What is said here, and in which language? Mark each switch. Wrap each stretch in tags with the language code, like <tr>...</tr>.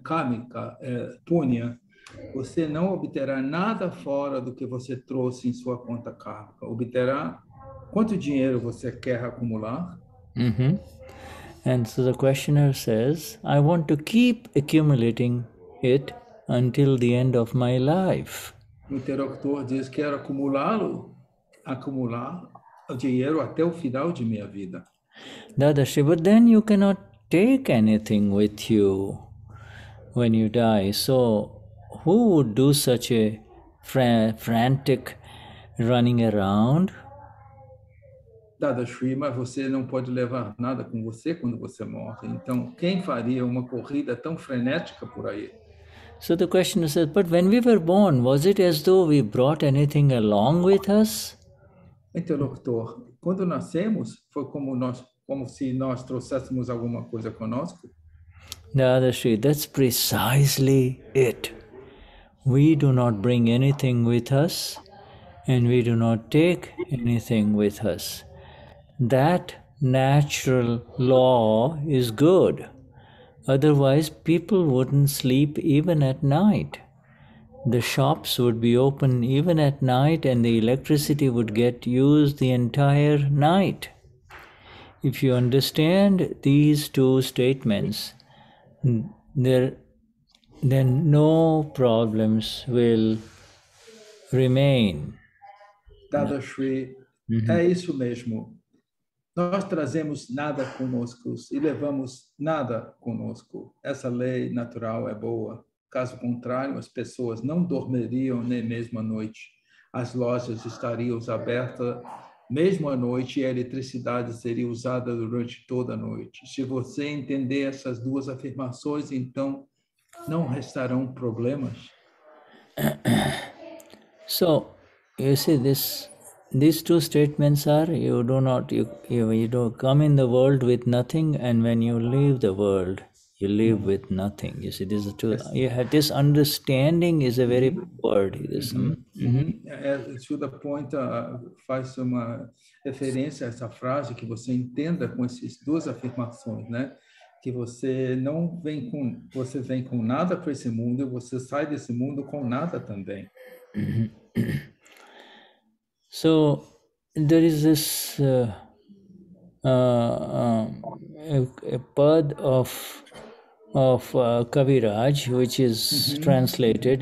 <pt>Kármica, punya, você não obterá nada fora do que você trouxe em sua conta kármica. Obterá quanto dinheiro você quer acumular?</pt> <en>And so the questioner says, I want to keep accumulating it until the end of my life.</en> <pt>O interlocutor diz, quero acumulá-lo, acumular o dinheiro até o final de minha vida.</pt> <en>Dadashri, but then you cannot take anything with you when you die. So who would do such a frantic running around?</en> <pt>Dadashri, mas você não pode levar nada com você quando você morre. Então, quem faria uma corrida tão frenética por aí?</pt> <en>So the questioner says, but when we were born, was it as though we brought anything along with us?</en> <pt>Interlocutor, quando nascemos, foi como se nós trouxéssemos alguma coisa conosco?</pt> <en>Dadashri, that's precisely it. We do not bring anything with us, and we do not take anything with us. That natural law is good. Otherwise, people wouldn't sleep even at night. The shops would be open even at night and the electricity would get used the entire night. If you understand these two statements, then no problems will remain.</en> <pt>Dadashri, é isso mesmo. Nós trazemos nada conosco e levamos nada conosco. Essa lei natural é boa. Caso contrário, as pessoas não dormiriam nem mesmo à noite. As lojas estariam abertas mesmo à noite e a eletricidade seria usada durante toda a noite. Se você entender essas duas afirmações, então não restarão problemas.</pt> <en>So, you see this. These two statements are, you come in the world with nothing, and when you leave the world, you live with nothing. You see, these are two, you have, this understanding is a very word.</en> <pt>Shuddha Punya faz uma referência a essa frase, que você entenda com essas duas afirmações, né? Que você vem com nada para esse mundo, e você sai desse mundo com nada também.</pt> <en>So there is this a pad of Kaviraj, which is translated.</en>